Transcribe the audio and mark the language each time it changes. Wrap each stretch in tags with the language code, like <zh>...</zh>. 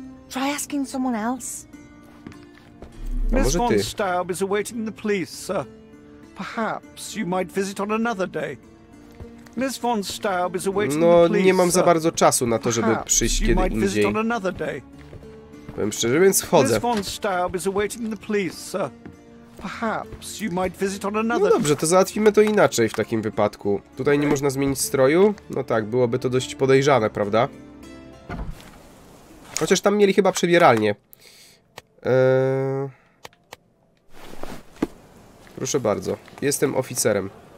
<en>Try asking someone else. Miss von Staub is awaiting the police, sir. Perhaps you might visit on another day. Miss von Staub is awaiting the police.</en> <pl>No, nie mam za bardzo czasu na to, żeby przyjść kiedy indziej. Powiem szczerze, więc chodzę. Miss von Staub is awaiting the police, sir. Perhaps you might visit on another. No dobrze, to załatwimy to inaczej w takim wypadku. Tutaj nie można zmienić stroju? No tak, byłoby to dość podejrzane, prawda? Chociaż tam mieli chyba przebieralnię. Proszę bardzo, jestem oficerem.</pl>